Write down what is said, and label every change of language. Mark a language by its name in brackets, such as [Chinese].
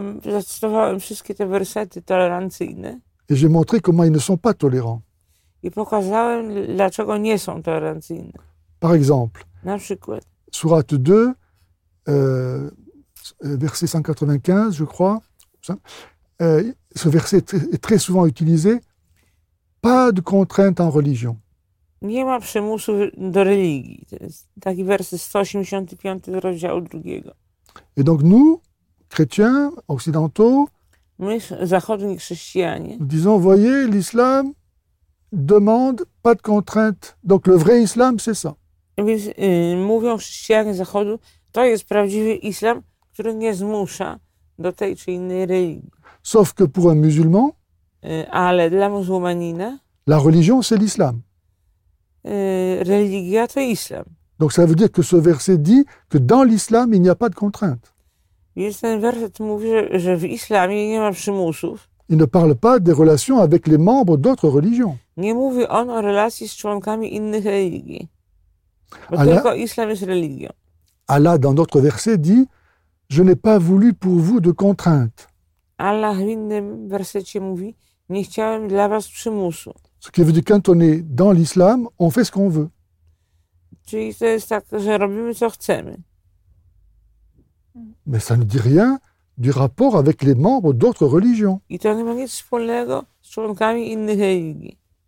[Polish] Zacytowałem wszystkie te wersety tolerancyjne. [French] Et j'ai montré comment ils ne sont pas tolérants. [Polish] I pokazałem, dlaczego nie są tolerancyjni. [French] Par exemple, [Polish] na przykład. [French] Sourate 2, verset 195, je crois. Ce verset est très souvent utilisé. Pas de contrainte en religion. [Polish] Nie ma przymusu do religii. To jest taki werset 185 rozdziału drugiego. [French] Et donc nous, chrétiens occidentaux, [Polish] my, zachodni chrześcijanie, [French] nous disons, voyez, l'islam demande pas de contrainte. Donc le vrai islam, c'est ça. [Polish] Więc mówią chrześcijanie zachodu, to jest prawdziwy islam, który nie zmusza do tej czy innej religii. [French] Sauf que pour un musulman, [Polish] ale dla muzułmanina, [French] la religion, c'est l'islam. [Polish] Religia to islam. [French] Donc ça veut dire que ce verset dit que dans l'islam, il n'y a pas de contrainte. [Polish] Więc ten werset mówi, że w islamie nie ma przymusów. [French] Il ne parle pas des relations avec les membres d'autres religions. [Polish] Nie mówi on o relacji z członkami innych religii. Bo Allah, tylko islam jest religią. [French] Allah, dans notre verset, dit « Je n'ai pas voulu pour vous de contraintes. » [Polish] Allah w innym wersecie mówi « Nie chciałem dla was przymusu. » [French] Ce qui veut dire quand on est dans l'islam, on fait ce qu'on veut. [Polish] Czyli to jest tak, że robimy co chcemy. [French] Mais ça ne dit rien du rapport avec les membres d'autres religions. [Polish] I to nie ma nic wspólnego z członkami innych religii.